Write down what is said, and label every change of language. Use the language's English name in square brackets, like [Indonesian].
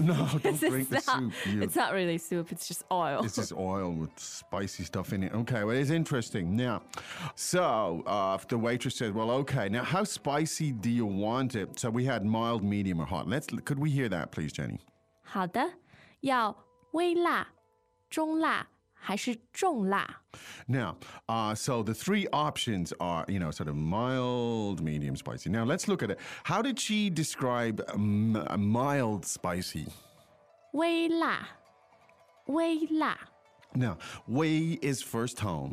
[English] No, don't drink the soup. It's not really soup, it's just oil. It's just oil with spicy stuff in it. Okay, well, it's interesting. Now, so the waitress said, well, okay, now how spicy do you want it? So we had mild, medium, or hot. Could we hear that, please, Jenny? [Chinese] 好的，要微辣、中辣还是重辣 [English] ？Now, so the three options are, you know, sort of mild, medium, spicy. Now let's look at it. How did she describe mild spicy? [Chinese] 微辣，微辣。 [English] Now, 微 is first tone.